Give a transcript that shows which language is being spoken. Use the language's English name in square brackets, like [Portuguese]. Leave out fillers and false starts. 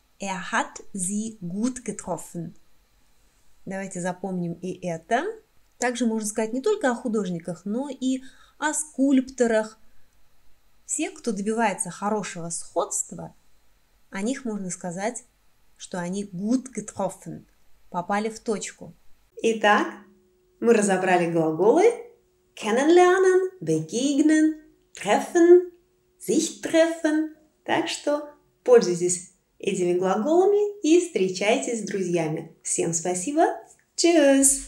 [German] «Er hat sie gut getroffen». [Russian] Давайте запомним и это. Также можно сказать не только о художниках, но и о скульпторах. Все, кто добивается хорошего сходства, о них можно сказать, что они [German] «gut getroffen», [Russian] попали в точку. Итак, мы разобрали глаголы kennenlernen, begegnen, treffen, sich treffen. Так что пользуйтесь этими глаголами и встречайтесь с друзьями. Всем спасибо. Tschüss.